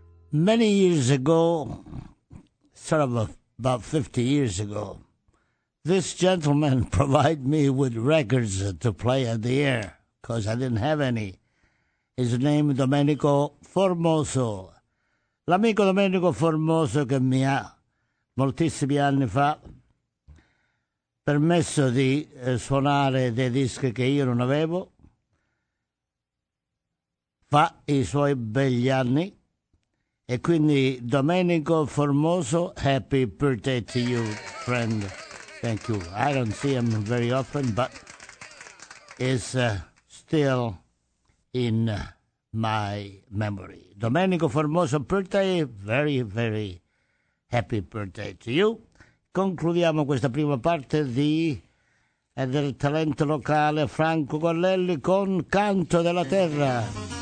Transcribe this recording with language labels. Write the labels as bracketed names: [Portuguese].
[English] Many years ago, sort of about 50 years ago, this gentleman provided me with records to play on the air, because I didn't have any. His name is Domenico Formoso. [Italian] L'amico Domenico Formoso che mi ha, moltissimi anni fa, permesso di suonare dei dischi che io non avevo, fa i suoi begli anni. E quindi Domenico Formoso, [English] happy birthday to you, friend. Thank you. I don't see him very often, but is still in my memory. Domenico Formoso, birthday, very, very happy birthday to you. [Italian] Concludiamo questa prima parte di del talento locale Franco Gallelli con Canto della Terra.